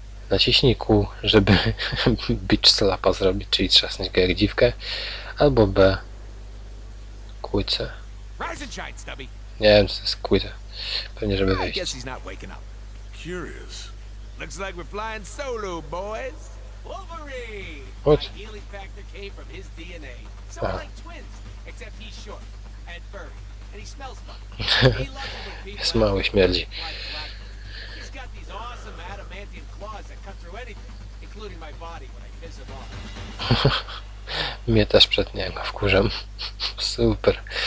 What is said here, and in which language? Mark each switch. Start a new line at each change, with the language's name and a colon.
Polish: Naciśnij Q, żeby beach slapa zrobić, czyli trzasnąć go jak dziwkę. Albo B. Kłyce. Nie wiem, co to jest kłyce. Pewnie, żeby wyjść. Curious.
English: Looks like we're flying solo, boys. Wolverine. What? The healing factor came from his DNA. Something like twins, except he's short and furry, and he smells funny. He loves when people smell like black. He's got these awesome adamantium claws that cut through anything, including my body when I piss him off.
Polish: Mnie też przed niego wkurzam. Super.